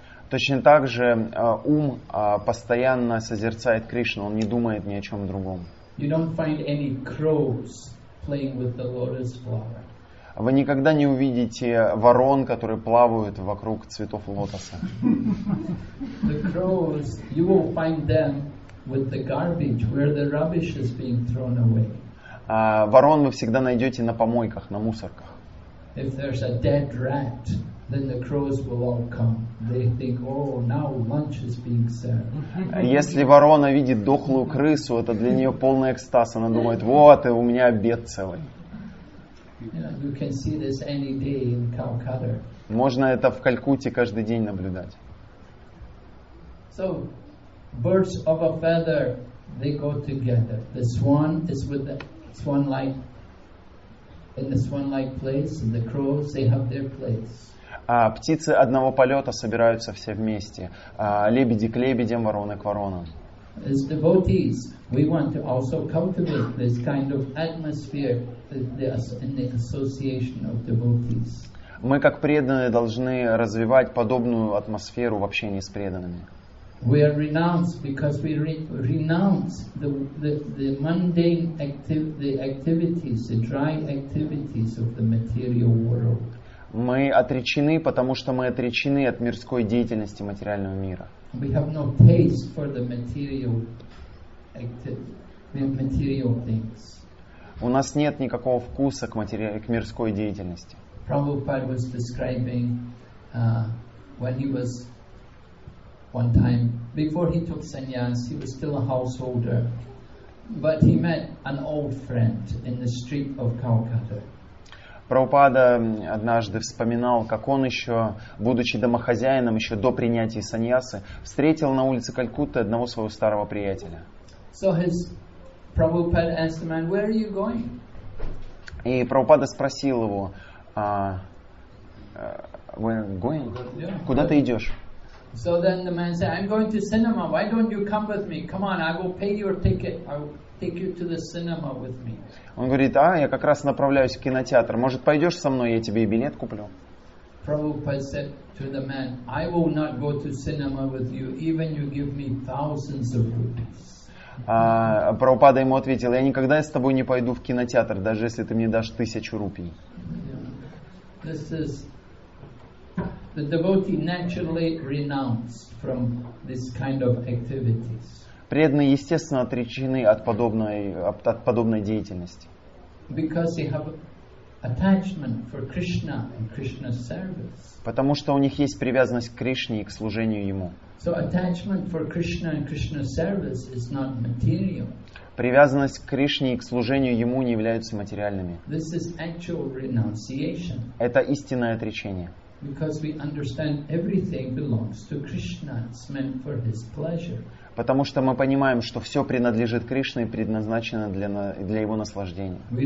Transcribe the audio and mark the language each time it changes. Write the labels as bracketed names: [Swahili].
[Russian] Точно так же ум постоянно созерцает Кришну, он не думает ни о чем другом. [English] You don't find any crows playing with the lotus flower. [Russian] Вы никогда не увидите ворон, которые плавают вокруг цветов лотоса. [English] The crows, you will find them with the garbage, where the rubbish is being thrown away. [Russian] Ворон вы всегда найдете на помойках, на мусорках. [English] If there's a dead rat, then the crows will all come. They think, oh, now lunch is being served. [Russian] Если ворона видит дохлую крысу, это для нее полный экстаз. Она думает, вот, и у меня обед целый. [English] You can see this any day in Calcutta. [Russian] Можно это в Калькутте каждый день наблюдать. [English] So, birds of a feather, they go together. The swan is with the swan-like, in the swan-like place, and the crows, they have their place. [Russian] Птицы одного полета собираются все вместе. Лебеди к лебедям, вороны к воронам. [English] As devotees, we want to also cultivate this kind of atmosphere in the association of devotees. [Russian] Мы, как преданные, должны развивать подобную атмосферу в общении с преданными. [English] We are renounced because we renounce the mundane activities, the dry activities of the material world. [Russian] Мы отречены, потому что мы отречены от мирской деятельности материального мира. [English] We have no taste for the material things. [Russian] У нас нет никакого вкуса к мирской деятельности. [English] Prabhupada was describing when he was one time, before he took sannyas, he was still a householder. But he met an old friend in the street of Calcutta. [Russian] Прабхупада однажды вспоминал, как он еще, будучи домохозяином, еще до принятия саньясы, встретил на улице Калькутты одного своего старого приятеля. [English] So Prabhupada asked the man, "Where are you going?" [Russian] И Прабхупада спросил его, [English] "Where are you going? Yeah. [Russian] Куда ты идешь?" [English] So then the man said, "I'm going to cinema. Why don't you come with me? Come on, I will pay your ticket. Take you to the cinema with me." [Russian] Он говорит, а, я как раз направляюсь в кинотеатр. Может, пойдешь со мной, я тебе и билет куплю. [English] Prabhupada said to the man, "I will not go to cinema with you, even you give me thousands of rupees." [Russian] Прабхупада ему ответил, я никогда с тобой не пойду в кинотеатр, даже если ты мне дашь 1000 рупий. [English] This is the devotee naturally renounced from this kind of activities. [Russian] Преданные, естественно, отречены от подобной деятельности. [English] Because they have attachment for Krishna and Krishna's service. [Russian] Потому что у них есть привязанность к Кришне и к служению Ему. [English] So attachment for Krishna and Krishna's service is not material. [Russian] Привязанность к Кришне и к служению Ему не являются материальными. [English] This is actual renunciation. [Russian] Это истинное отречение. [English] Because we understand everything belongs to Krishna, it's meant for His pleasure. [Russian] Потому что мы понимаем, что все принадлежит Кришне и предназначено для Его наслаждения.